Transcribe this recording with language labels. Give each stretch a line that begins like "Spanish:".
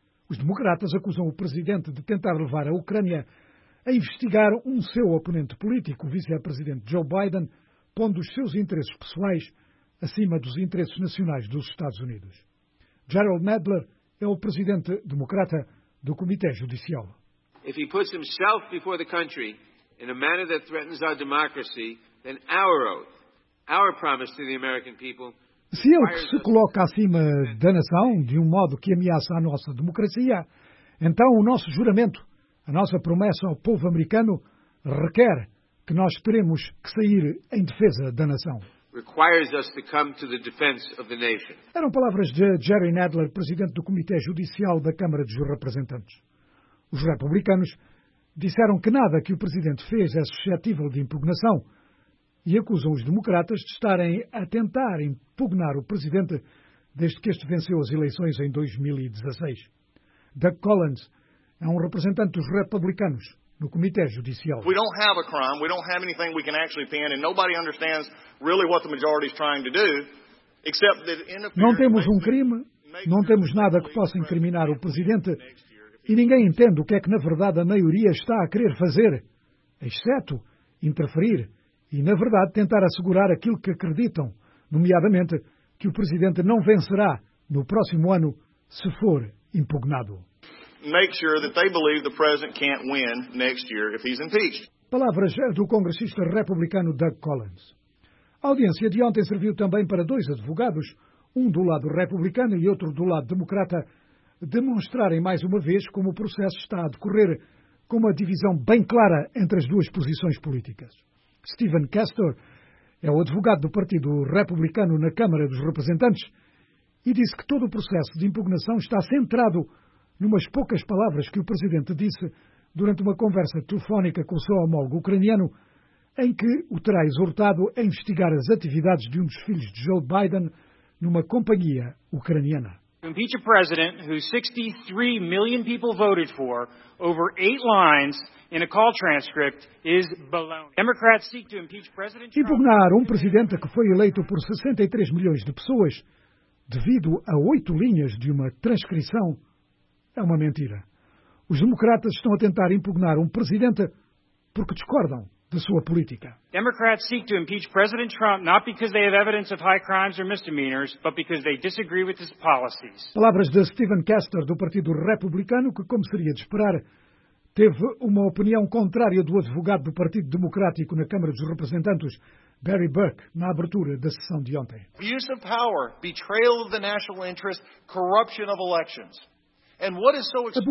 Portuguese: Os democratas acusam o presidente de tentar levar a Ucrânia a investigar um seu oponente político, o vice-presidente Joe Biden, pondo os seus interesses pessoais acima dos interesses nacionais dos Estados Unidos. Gerald Nadler é o presidente democrata do Comitê Judicial.
English: If he puts himself before the country in a manner that threatens our democracy, then our oath, our promise to the American people.
Portuguese: Se ele que se coloca acima da nação, de um modo que ameaça a nossa democracia, então o nosso juramento, a nossa promessa ao povo americano, requer que nós teremos que sair em defesa da nação.
English: Requires us to come to the defense of the nation.
Portuguese: Eram palavras de Jerry Nadler, presidente do Comitê Judicial da Câmara dos Representantes. Os republicanos disseram que nada que o presidente fez é suscetível de impugnação e acusam os democratas de estarem a tentar impugnar o presidente desde que este venceu as eleições em 2016. Doug Collins é um representante dos republicanos no Comitê Judicial.
English: We don't have a crime, we don't have anything we can actually pin, and nobody understands really what the majority is trying to do, except that in a...
Portuguese: Não temos um crime, não temos nada que possa incriminar o presidente, e ninguém entende o que é que, na verdade, a maioria está a querer fazer, exceto interferir e, na verdade, tentar assegurar aquilo que acreditam, nomeadamente que o presidente não vencerá no próximo ano se for impugnado.
English: Make sure that they believe the president can't win next year if he's impeached.
Portuguese: Palavras do congressista republicano Doug Collins. A audiência de ontem serviu também para dois advogados, um do lado republicano e outro do lado democrata, demonstrarem mais uma vez como o processo está a decorrer com uma divisão bem clara entre as duas posições políticas. Stephen Castor é o advogado do Partido Republicano na Câmara dos Representantes e disse que todo o processo de impugnação está centrado numas poucas palavras que o presidente disse durante uma conversa telefónica com o seu homólogo ucraniano, em que o terá exortado a investigar as atividades de um dos filhos de Joe Biden numa companhia ucraniana.
English: Impeach a president who 63 million people voted for over eight lines in a call transcript is baloney. Democrats seek to impeach President Trump.
Portuguese: Impugnar um presidente que foi eleito por 63 milhões de pessoas devido a oito linhas de uma transcrição é uma mentira. Os democratas estão a tentar impugnar um presidente porque discordam da sua política.
English: Democrats seek to impeach President Trump not because they have evidence of high crimes or misdemeanors, but because they disagree with his policies.
Portuguese: Palavras de Stephen Castor, do Partido Republicano, que, como seria de esperar, teve uma opinião contrária do advogado do Partido Democrático na Câmara dos Representantes, Barry Burke, na abertura da sessão de ontem.
English: Abuse of power, betrayal of the national interest, corruption of elections. And what is so extraordinary?